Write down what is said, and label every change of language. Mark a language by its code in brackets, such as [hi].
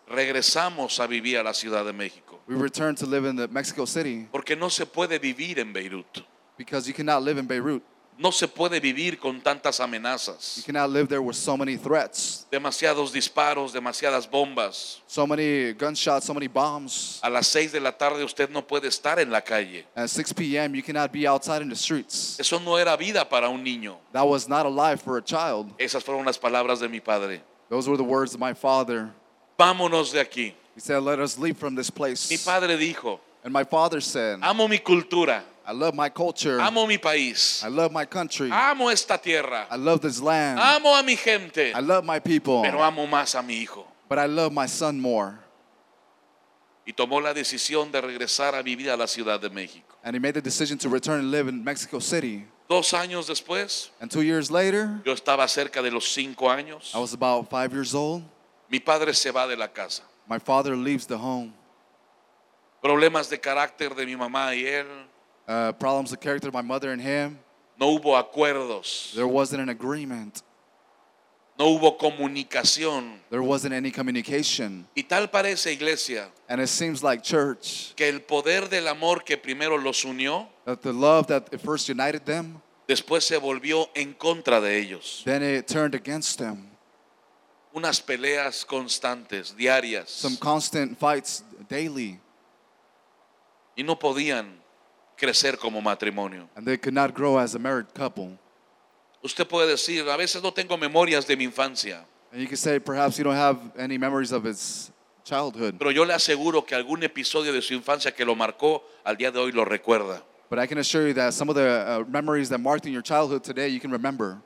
[es] Regresamos a vivir a la Ciudad de México. [en] We returned to live in the Mexico City. [es] Porque no se puede vivir en Beirut. [en] Because you cannot live in Beirut. [es] No se puede vivir con tantas amenazas. [en] You cannot live there with so many threats. [es] Demasiados disparos, demasiadas bombas. [en] So many gunshots, so many bombs. [es] A las 6 de la tarde usted no puede estar en la calle. [en] At 6 p.m. you cannot be outside in the streets. [es] Eso no era vida para un niño. [en] That was not a life for a child. [es] Esas fueron las palabras de mi padre. [en] Those were the words of my father. [es] Vámonos de aquí. [en] He said, let us leave from this place. [es] Mi padre dijo, [en] and my father said, [es] amo mi cultura. [en] I love my culture. [es] Amo mi país. [en] I love my country. [es] Amo esta tierra. [en] I love this land. [es] Amo a mi gente. [en] I love my people. [es] Pero amo más a mi hijo. [en] But I love my son more. [es] Y tomó la decisión de regresar a vivir a la Ciudad de México. [en] And he made the decision to return and live in Mexico City. [es] 2 años después, [en] and 2 years later, [es] yo estaba cerca de los 5 años. [en] I was about 5 years old. [es] Mi padre se va de la casa. [en] My father leaves the home. [es] Problemas de carácter de mi mamá y él. [en] Problems of character of my mother and him. [es] No hubo acuerdos. [en] There wasn't an agreement. [es] No hubo comunicación. [en] There wasn't any communication. [es] Y tal parece, iglesia, [en] and it seems like church, [es] que el poder del amor que primero los unió, [en] that the love that first united them, [es] después se volvió en contra de ellos. [en] Then it turned against them. [es] Unas peleas constantes, diarias. [en] Some constant fights daily. [es] Y no podían crecer como matrimonio. [en] And they could not grow as a married couple. [es] Usted puede decir, a veces no tengo memorias de mi infancia. [en] And you can say, perhaps you don't have any memories of his childhood. [es] Pero yo le aseguro que algún episodio de su infancia que lo marcó, al día de hoy lo recuerda. [en] But I can assure you that some of the memories that marked in your childhood today, you can remember.